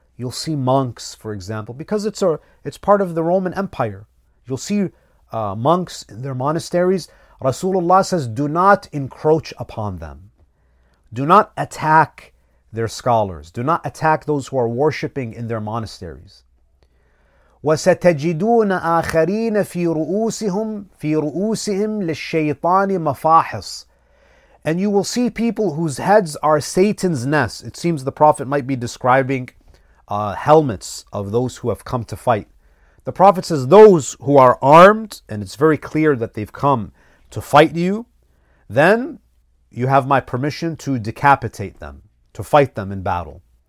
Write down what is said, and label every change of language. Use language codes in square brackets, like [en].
[en] You'll see monks, for example, because it's part of the Roman Empire. You'll see monks in their monasteries. Rasulullah says, do not encroach upon them. Do not attack their scholars. Do not attack those who are worshiping in their monasteries. [ar] وستجدون آخرين في رؤوسهم في رؤوسهم للشيطان مفاحص. [en] And you will see people whose heads are Satan's nests. It seems the Prophet might be describing helmets of those who have come to fight. The Prophet says, those who are armed, and it's very clear that they've come to fight you, then you have my permission to decapitate them, to fight them in battle.